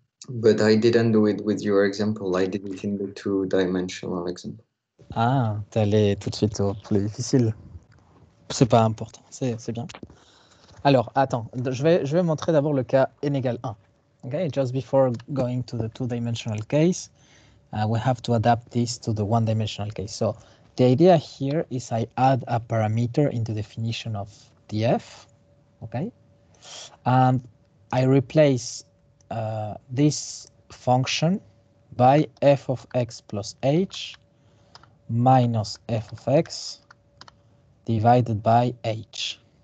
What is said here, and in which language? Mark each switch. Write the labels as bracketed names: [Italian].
[English] But I didn't do it with your example. I did it in the two-dimensional example. [French] Ah, t'es allé tout de suite au plus difficile. C'est pas important, c'est bien. Alors, attends, je vais montrer d'abord le cas n égale 1. [English] Okay, just before going to the two-dimensional case, we have to adapt this to the one-dimensional case. So, the idea here is I add a parameter in the definition of df, okay? And I replace this function by f of x plus h minus f of x divided by h.